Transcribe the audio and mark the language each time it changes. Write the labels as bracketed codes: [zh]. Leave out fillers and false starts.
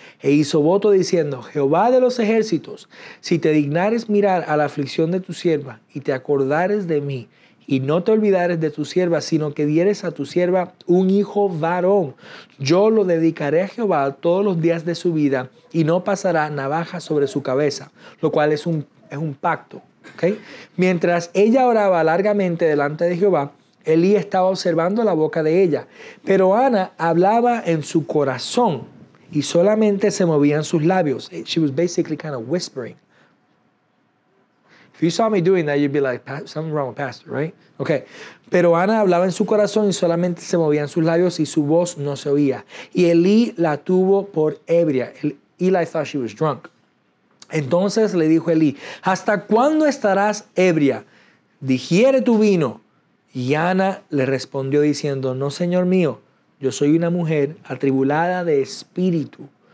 [es] E hizo voto diciendo, Jehová de los ejércitos, si te dignares mirar a la aflicción de tu sierva y te acordares de mí y no te olvidares de tu sierva, sino que dieres a tu sierva un hijo varón, yo lo dedicaré a Jehová todos los días de su vida y no pasará navaja sobre su cabeza, lo cual es un pacto. ¿Okay? Mientras ella oraba largamente delante de Jehová, Elí estaba observando la boca de ella, pero Ana hablaba en su corazón y solamente se movían sus labios. [en] She was basically kind of whispering. If you saw me doing that, you'd be like, something wrong with Pastor, right? Okay. [es] Pero Ana hablaba en su corazón y solamente se movían sus labios y su voz no se oía. Y Elí la tuvo por ebria. [en] Eli thought she was drunk. [es] Entonces le dijo Elí, ¿hasta cuándo estarás ebria? Digiere tu vino. Y Ana le respondió diciendo, no, señor mío, yo soy una mujer atribulada de espíritu.